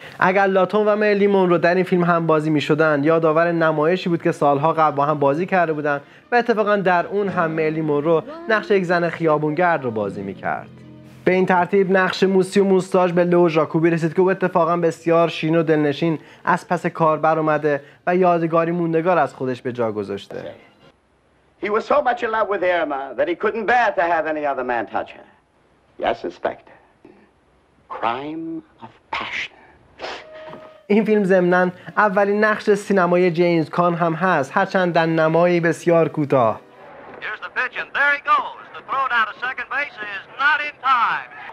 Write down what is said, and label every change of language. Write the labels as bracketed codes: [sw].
[fa] اگر لاتون و مرلی مونرو در این فیلم هم بازی میشدن یادآور نمایشی بود که سالها قبل با هم بازی کرده بودن و اتفاقا در اون هم مرلی مونرو نقش یک زن خیابونگرد رو بازی میکرد. به این ترتیب نقش موسی و موستاژ به لو ژاکوبی رسید که اتفاقا بسیار شین و دلنشین از پس کار بر اومده و یادگاری موندگار از خودش به جا گذاشته. [en] He was so much in love with Irma that he couldn't bear to have any other man touch her. Yes, Inspector. Crime of passion. [fa] این فیلم ضمناً اولین نقش سینمایی جیمز کان هم هست، هرچند در نمایی بسیار کوتاه. [en] Here's the pitch and there he goes. The throw down to second base is not in time.